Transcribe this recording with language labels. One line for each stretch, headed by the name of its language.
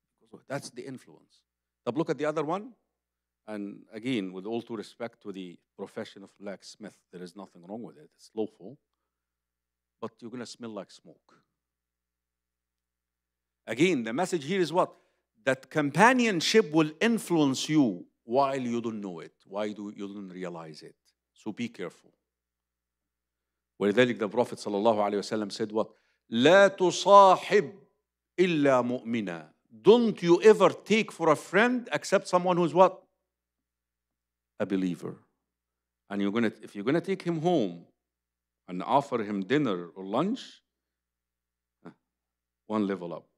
English: So that's the influence. Now look at the other one. And again, with all due respect to the profession of blacksmith, there is nothing wrong with it, it's lawful. But you're gonna smell like smoke. Again, the message here is what? That companionship will influence you while you don't know it, while you don't realize it. So be careful.
Arabic: ولذلك
English: the Prophet
Arabic: صلى الله عليه وسلم
English: said what?
Arabic: لا تصاحب إلا مؤمنا.
English: Don't you ever take for a friend except someone who's what? A believer. And if you're gonna take him home and offer him dinner or lunch, one level up.